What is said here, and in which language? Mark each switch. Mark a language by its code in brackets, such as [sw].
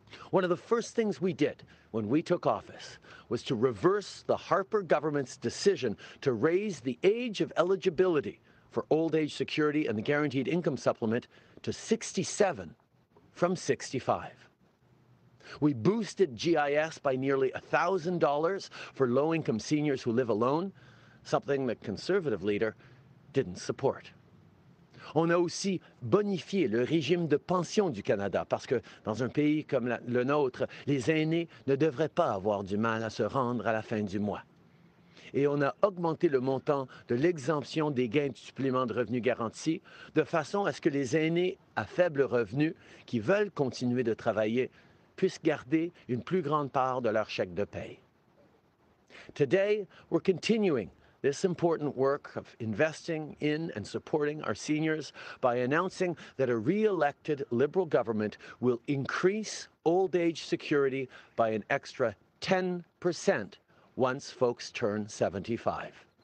[en] One of the first things we did when we took office was to reverse the Harper government's decision to raise the age of eligibility for old age security and the guaranteed income supplement to 67 from 65. We boosted GIS by nearly $1,000 for low-income seniors who live alone, something the conservative leader didn't support. [fr] On a aussi bonifié le régime de pension du Canada parce que dans un pays comme le nôtre, les aînés ne devraient pas avoir du mal à se rendre à la fin du mois. et on a augmenté le montant de l'exemption des gains du supplément de revenus garanti de façon à ce que les aînés à faible revenu qui veulent continuer de travailler puissent garder une plus grande part de leur chèque de paye. [en] Today, we're continuing this important work of investing in and supporting our seniors by announcing that a re-elected Liberal government will increase old age security by an extra 10% once folks turn 75.